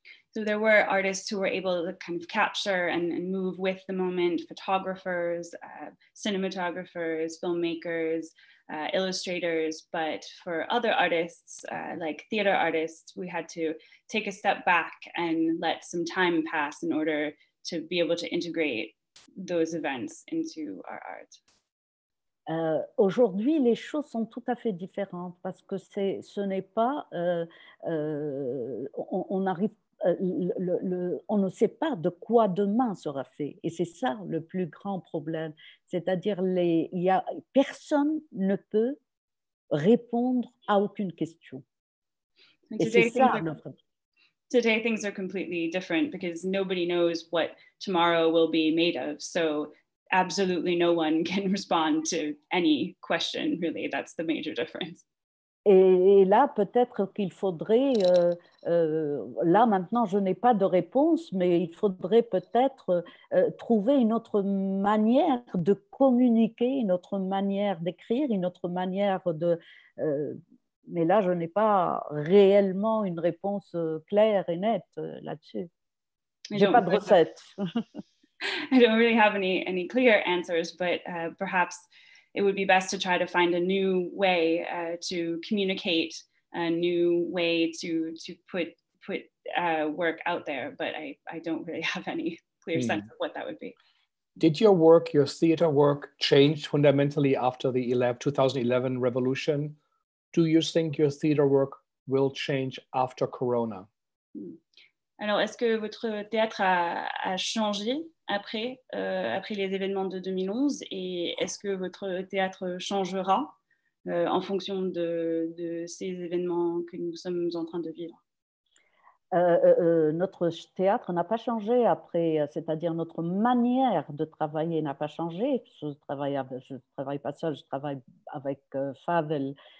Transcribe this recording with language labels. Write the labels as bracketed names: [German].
[English] So there were artists who were able to kind of capture and move with the moment, photographers, cinematographers, filmmakers, illustrators, but for other artists, like theater artists, we had to take a step back and let some time pass in order to be able to integrate those events into our art. [French] Aujourd'hui, les choses sont tout à fait différentes parce que ce n'est pas, on arrive, on ne sait pas de quoi demain sera fait. Et c'est ça le plus grand problème. C'est-à-dire, personne ne peut répondre à aucune question. Et c'est ça notre problème. [English] Today things are completely different because nobody knows what tomorrow will be made of. So absolutely no one can respond to any question, really. That's the major difference. [French] Et là, peut-être qu'il faudrait, là maintenant, je n'ai pas de réponse, mais il faudrait peut-être trouver une autre manière de communiquer, une autre manière d'écrire, une autre manière de... mais là, je n'ai pas réellement une réponse claire et nette là-dessus. Je n'ai pas de recette. [English] I don't really have any clear answers, but perhaps it would be best to try to find a new way to communicate, a new way to put work out there. But I don't really have any clear sense of what that would be. Did your work, your theater work, change fundamentally after the 2011 revolution? Do you think your theater work will change after Corona? [French] Alors, est-ce que votre théâtre a changé après les événements de 2011 et est-ce que votre théâtre changera en fonction de ces événements que nous sommes en train de vivre? Notre théâtre n'a pas changé après, c'est-à-dire notre manière de travailler n'a pas changé. Je ne travaille pas seul, je travaille avec Favel